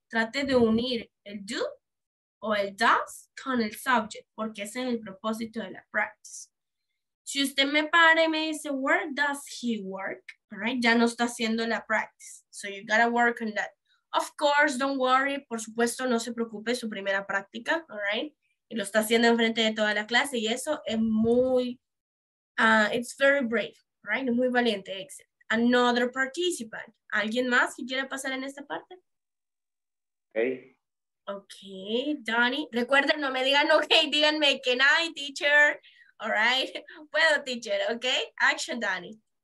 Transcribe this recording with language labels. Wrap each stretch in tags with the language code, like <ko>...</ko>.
<es>Trate de unir el do o el does con el subject, porque ese es el propósito de la practice. Si usted me para y me dice,</es> <en>where does he work? Right?</en> <es>Ya no está haciendo la practice.</es> <en>So you gotta work on that. Of course, don't worry.</en> <es>Por supuesto, no se preocupe. Su primera práctica,</es> <en>all right?</en> <es>Y lo está haciendo enfrente de toda la clase. Y eso es muy,</es> <en>it's very brave, right?</en> <es>Muy valiente.</es> <en>Excellent. Another participant.</en> <es>¿Alguien más que quiera pasar en esta parte?</es> <en>Okay.</en> <es>Okay, Donnie. Recuerden, no me digan, okay, díganme,</es> <en>can I, teacher? All right, puedo, teacher, okay? Action, Danny.</en>